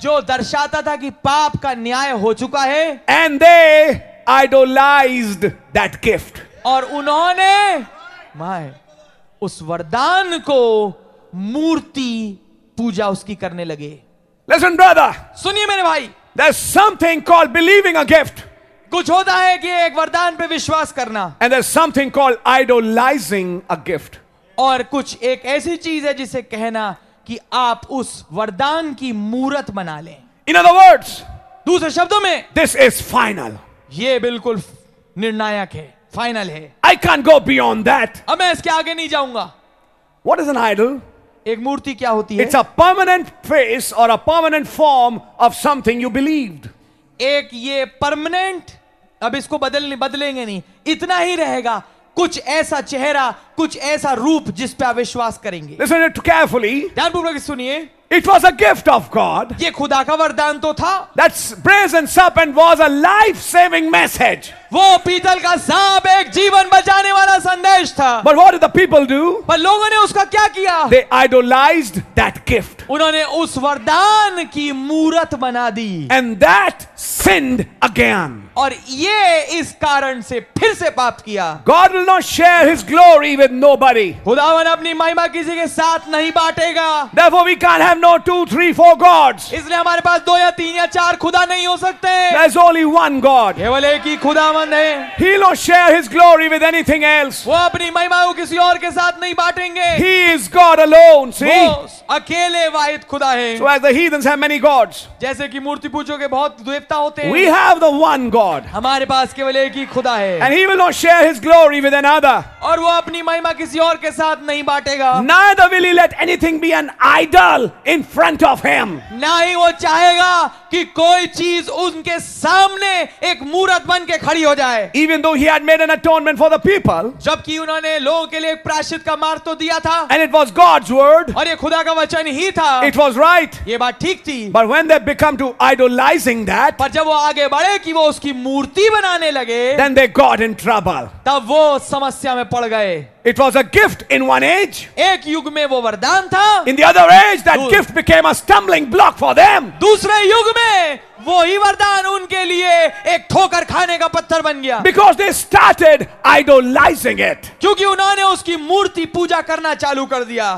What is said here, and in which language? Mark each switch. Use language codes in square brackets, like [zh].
[hi] जो दर्शाता था कि पाप का न्याय हो चुका है [en] and they idolised that gift [hi] और उन्होंने माय उस वरदान को मूर्ति पूजा उसकी करने लगे [en] Listen, brother. [hi] सुनिए मेरे भाई [en] There's something called believing a gift. [hi] कुछ होता है कि एक वरदान पे विश्वास करना [en] And there's something called idolizing a gift. [hi] और कुछ एक ऐसी चीज है जिसे कहना कि आप उस वरदान की मूर्त बना लें [en] In other words, [hi] दूसरे शब्दों में [en] This is final. [hi] ये बिल्कुल निर्णायक है फाइनल है [en] I can't go beyond that. [hi] अब मैं इसके आगे नहीं जाऊंगा [en] What is an idol? [hi] एक मूर्ति क्या होती है? [en] It's a permanent face or a permanent form of something you believed. [hi] एक ये permanent, अब इसको बदलेंगे नहीं, इतना ही रहेगा, कुछ ऐसा चेहरा, कुछ ऐसा रूप जिस पे आप विश्वास करेंगे. [en] Listen it carefully. [hi] ध्यान पूर्वक सुनिए. [en] It was a gift of God. [hi] ये खुदा का वरदान तो था. [en] That brazen serpent was a life-saving message. [hi] वो पीतल का सांप एक जीवन बचाने वाला संदेश था. [en] But what did the people do? [hi] पर लोगों ने उसका क्या किया? [en] They idolized that gift. [hi] उन्होंने उस वरदान की मूरत बना दी. [en] And that sinned again. [hi] और ये इस कारण से फिर से पाप किया. [en] God will not share His glory with nobody. [hi] खुदावन अपनी महिमा किसी के साथ नहीं बांटेगा. [en] Therefore we can't have no two, three, four gods. [hi] इसलिए हमारे पास दो या तीन या चार खुदा नहीं हो सकते. [en] There's only one God. [hi] केवल एक ही खुदा [en] He will not share his glory with anything else. [hi] वो अपनी महिमा को किसी और के साथ नहीं बांटेंगे. [en] He is God alone. See? [hi] वो अकेले वाहिद खुदा है. [en] So as the heathens have many gods. [hi] जैसे कि मूर्ति पूजो के बहुत देवता होते हैं. [en] We have the one God. [hi] हमारे पास केवल एक ही खुदा है. [en] And he will not share his glory with another. [hi] और वो अपनी महिमा किसी और के साथ नहीं बांटेगा. [en] Neither will he let anything be an idol in front of him. [hi] ना ही वो चाहेगा कि कोई चीज उनके सामने एक मूरत बन के खड़ी [en] Even though he had made an atonement for the people, [hi] जबकि उन्होंने लोगों के लिए एक प्रायश्चित का मार्ग तो दिया था, [en] and it was God's word, [hi] और ये खुदा का वचन ही था, [en] it was right, [hi] ये बात ठीक थी, [en] but when they become to idolizing that, [hi] पर जब वो आगे बढ़े कि वो उसकी मूर्ति बनाने लगे, [en] then they got in trouble, [hi] तब वो समस्या में पड़ गए. [en] It was a gift in one age. [hi] एक युग में वो वरदान था. [en] In the other age, that gift became a stumbling block for them. [hi] दूसरे युग में वो ही वरदान उनके लिए एक ठोकर खाने का पत्थर बन गया. [en] Because they started idolizing it. [hi] क्योंकि उन्होंने उसकी मूर्ति पूजा करना चालू कर दिया.